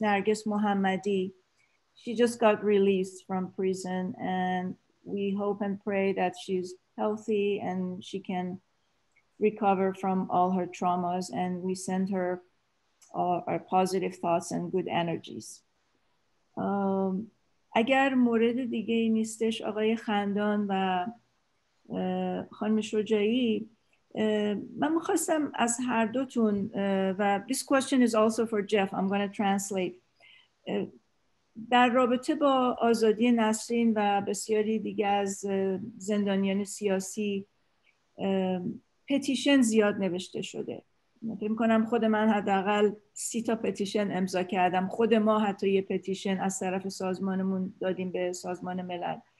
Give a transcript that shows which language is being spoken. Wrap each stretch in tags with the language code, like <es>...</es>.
<en>Nargis Mohammadi, she just got released from prison. And we hope and pray that she's healthy and she can recover from all her traumas. And we send her our positive thoughts and good energies.</en> <fa>اگر مورد دیگه ای نیستش آقای خندان و خانم شجاعی، Mamukhasam as Hardotun,</fa> <en>this question is also for Jeff. I'm going to translate.</en> <fa>در رابطه با آزادی نسرین و بسیاری دیگه از زندانیان سیاسی پتیشن زیاد نوشته شده. فکر می‌کنم خود من حداقل 30 تا پتیشن امضا کردم. خود ما حتی یه پتیشن از طرف سازمانمون دادیم به سازمان ملل.</fa>